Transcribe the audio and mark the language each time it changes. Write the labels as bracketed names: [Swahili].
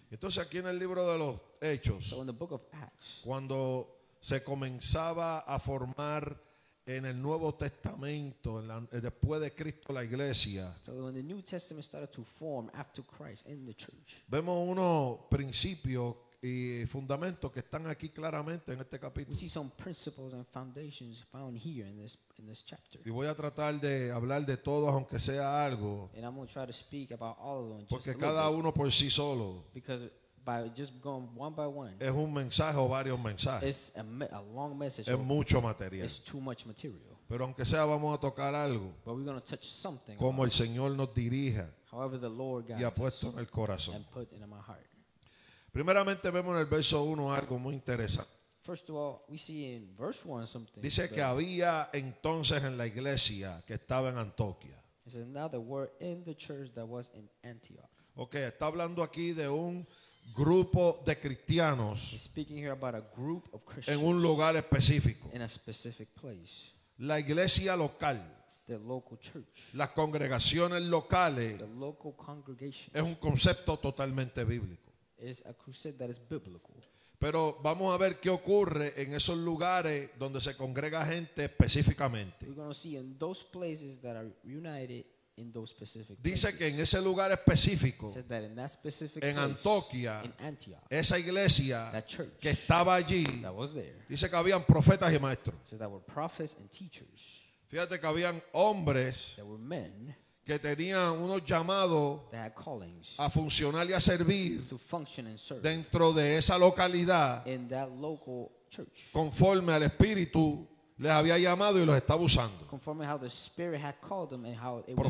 [Spanish] Entonces aquí en el libro de los Hechos. [English] So in the book of Acts. [Spanish] Cuando se comenzaba a formar en el Nuevo Testamento, en la, después de Cristo, la iglesia. [English] So when the New Testament started to form after Christ in the church. [Spanish] Vemos unos principios y fundamentos que están aquí claramente en este capítulo. [English] We see some principles and foundations found here in this chapter. [Spanish] Y voy a tratar de hablar de todos, aunque sea algo. [English] And I'm going to try to speak about all of them. [Spanish] Porque cada uno por sí solo. [English] Because by just going one by one. [Spanish] Es un mensaje o varios mensajes. [English] It's a long message. [Spanish] Es mucho material. [English] It's too much material. [Spanish] Pero aunque sea, vamos a tocar algo. [English] But we're going to touch something. [Spanish] Como el Señor nos dirija. [English] However the Lord guides. [Spanish] Y ha puesto en el corazón. [English] And put in my heart. [Spanish] Primeramente vemos en el verso 1 algo muy interesante. [English] First of all, we see in verse 1 something. [Spanish] Dice que había entonces en la iglesia que estaba en Antioquía. [English] It says now there were in the church that was in Antioch. [Spanish] Okay, está hablando aquí de un grupo de cristianos. [English] He's speaking here about a group of Christians. [Spanish] En un lugar específico. [English] In a specific place. [Spanish] La iglesia local. [English] The local church. [Spanish] Las congregaciones locales. [English] The local congregation. [Spanish] Es un concepto totalmente bíblico. [English] Is a crusade that is biblical. [Spanish] Pero vamos a ver qué ocurre en esos lugares donde se congrega gente específicamente. [English] We're going to see in those places that are united in those specific places. [Spanish] Dice que en ese lugar específico, [English] says that in that specific [Spanish] en Antioquía, [English] in Antioch, [Spanish] esa iglesia, [English] that church [Spanish] que estaba allí, [English] that was there, [Spanish] dice que habían profetas y maestros. [English] Says that were prophets and teachers. [Spanish] Fíjate que habían hombres, [English] there were men, [Spanish] que tenían unos llamados a funcionar y a servir dentro de esa localidad [English] in that local church, [Spanish] conforme al Espíritu les había llamado y los estaba usando. [English] Conforme how the Spirit had called them and how it was.